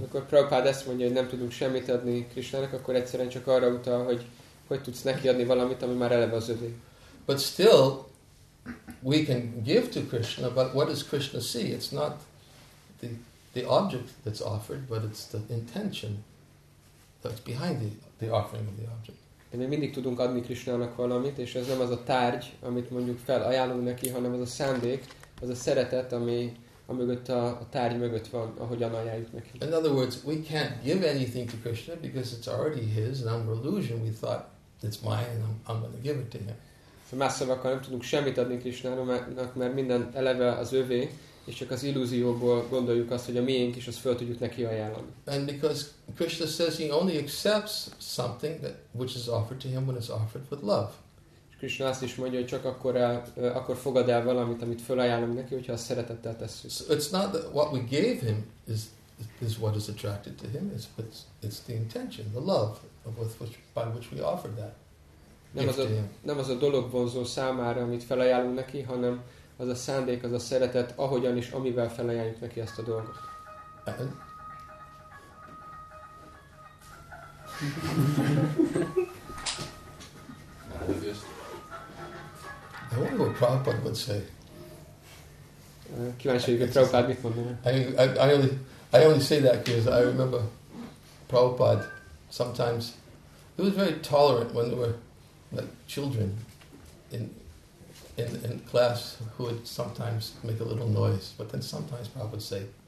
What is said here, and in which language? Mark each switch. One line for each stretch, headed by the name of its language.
Hungarian: Amikor Prabhupada ezt mondja, hogy nem tudunk semmit adni Krishnának, akkor egyszerűen csak arra utal, hogy tudsz neki adni valamit, ami már eleve az övé.
English: But still, we can give to Krishna, but what does Krishna see? It's not the object that's offered, but it's the intention that's behind the offering of the object.
Hungarian: Mi mindig tudunk adni Krishnának valamit, és ez nem az a tárgy, amit mondjuk felajánlunk neki, hanem az a szándék, az a szeretet, ami amögött a tárgy mögött van, ahogyan ajánljuk neki.
English: In other words, we can't give anything to Krishna because it's already his, and under illusion we thought it's mine and I'm going to give it to him.
Hungarian: Más szavakkal nem tudunk semmit adni Krishnának, mert minden eleve az övé, és csak az illúzióból gondoljuk azt, hogy a miénk is, azt föl tudjuk neki ajánlani.
English: And because Krishna says he only accepts something that which is offered to him when it's offered with love.
Hungarian: És Krishna azt is mondja, hogy csak akkor fogad el valamit, amit fölajánlom neki, hogyha azt szeretettel tesszük.
English: So it's not that what we gave him is what is attracted to him, it's the intention, the love by which we offered that.
Hungarian: Nem az a dolog vonzó számára, amit felajánlunk neki, hanem az a szándék, az a szeretet, ahogyan is, amivel felajánljuk neki ezt a dolgot.
English: I wonder what Prabhupada would say.
Hungarian: Kíváncsi vagyok, hogy Prabhupada mit mondaná.
English: I only say that because I remember Prabhupada sometimes it was very tolerant when there were like children in class who would sometimes make a little noise, but then sometimes Prabhupada would say,